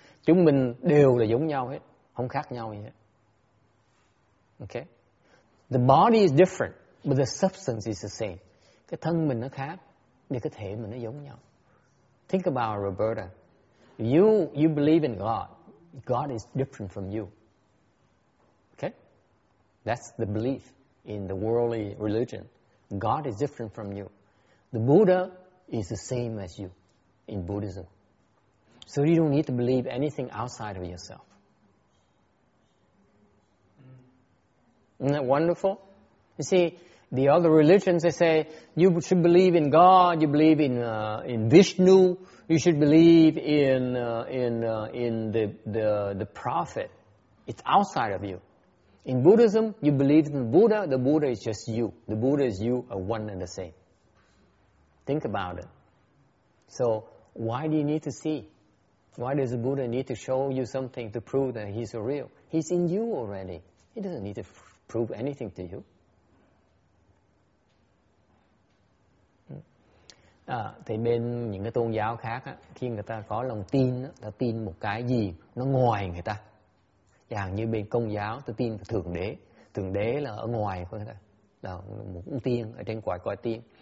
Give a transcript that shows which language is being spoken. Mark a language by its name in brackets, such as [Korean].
[Vietnamese] Chúng mình đều là giống nhau hết, không khác nhau gì hết. Okay? [English] The body is different, but the substance is the same. [Vietnamese] Cái thân mình nó khác, nhưng cái thể mình nó giống nhau. [English] Think about Roberta. You believe in God. God is different from you. Okay? That's the belief in the worldly religion. God is different from you. The Buddha is the same as you in Buddhism. So you don't need to believe anything outside of yourself. Isn't that wonderful? You see, the other religions, they say, you should believe in God, you believe in Vishnu, you should believe in the prophet. It's outside of you. In Buddhism, you believe in Buddha, the Buddha is just you. The Buddha is you, are one and the same. Think about it. So, why do you need to see? Why does the Buddha need to show you something to prove that he's real? He's in you already. He doesn't need to prove anything to you. [Vietnamese] À, thì bên những cái tôn giáo khác á, khi người ta có lòng tin á, ta tin một cái gì nó ngoài người ta. Chẳng như bên Công giáo ta tin Thượng Đế. Thượng Đế là ở ngoài của người ta, là một ông tiên ở trên quả cõi tiên.